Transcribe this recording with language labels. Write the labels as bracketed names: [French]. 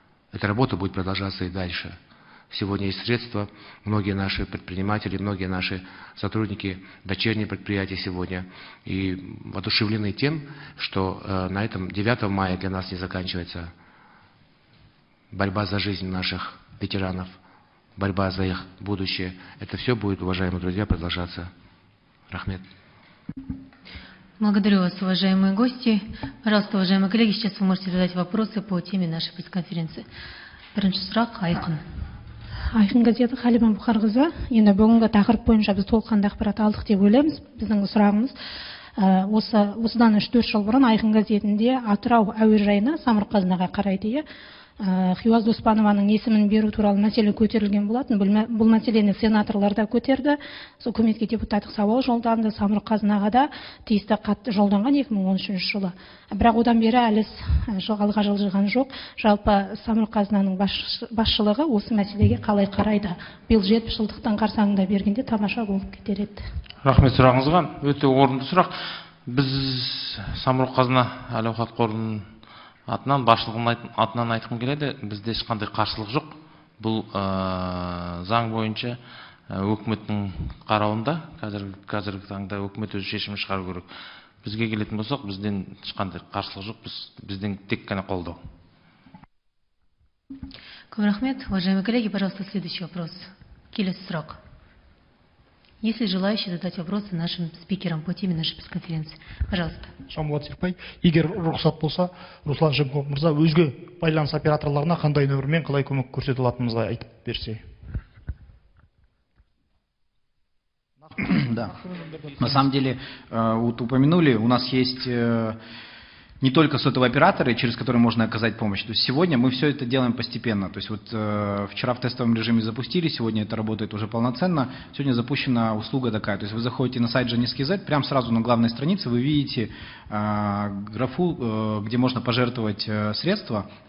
[Russian] Эта работа будет продолжаться и дальше. Сегодня есть средства, многие наши предприниматели, многие наши сотрудники, дочерние предприятия сегодня и воодушевлены тем, что на этом 9 мая для нас не заканчивается борьба за жизнь наших ветеранов, борьба за их будущее. Это все будет, уважаемые друзья, продолжаться. [Kazakh] Рахмет. [Russian] Благодарю вас, уважаемые гости. Пожалуйста, уважаемые коллеги, сейчас вы можете задать вопросы по теме нашей пресс-конференции. [Kazakh] Бірінші сұрақ Айқын. Айқын газеті Халима Бұқарғызы. Енді бүгінгі тақырып бойынша біз толыққанды ақпарат алдық деп ойлаймыз. Біздің сұрағымыз осыдан 3-4 жыл бұрын Айқын газетінде Атырау әуежайына Самұрық-Қазынаға қарайды. Хиуаз Доспанованың есімін беру туралы мәселе көтерілген болатын. Бұл мәселені сенаторлар да көтерді. Сол үкіметке депутаттық сауал жолданды. Самұрық-Қазынаға да тиісті хат жолданған 2013 жылы. Бірақ одан бері әлі жылға жылжыған жоқ. Жалпы Самұрық-Қазынаның басшылығы осы мәселеге қалай қарайды? Биыл 70 жылдықтан қарсаңында бергенде тамаша болып кетер еді. Рахмет сұрағыңызға. Өте орынды сұрақ. Біз Самұрық-Қазына әл-ауқат қорының атынан, басшылығының атынан айтқым келеді, бізде ешқандай қарсылық жоқ. Бұл заң бойынша өкіметтің қарауында, қазіргі таңда өкімет өзі шешім шығару керек. Бізге келетін болсақ, бізден ешқандай қарсылық жоқ, бізден тек қана қолдау. Көп рахмет. [Russian] Уважаемые коллеги, пожалуйста, следующий вопрос. [Kazakh] Келесі сұрақ. [Russian] Есть ли желающие задать вопросы нашим спикерам по теме нашей пресс-конференции? Пожалуйста. [Kazakh] Шамулат Серпай, егер рұқсат болса, Руслан Жемков мырза, өзге байланыс операторларына қандай нөмірмен қалай көмек көрсете алатынымызды айтып берсе. [Russian] Да. На самом деле, упомянули, у нас есть не только сотовые операторы, через которые можно оказать помощь. То есть сегодня мы все это делаем постепенно. То есть вот вчера в тестовом режиме запустили, сегодня это работает уже полноценно. Сегодня запущена услуга такая. То есть вы заходите на сайт Genis.kz, прямо сразу на главной странице вы видите графу, где можно пожертвовать средства.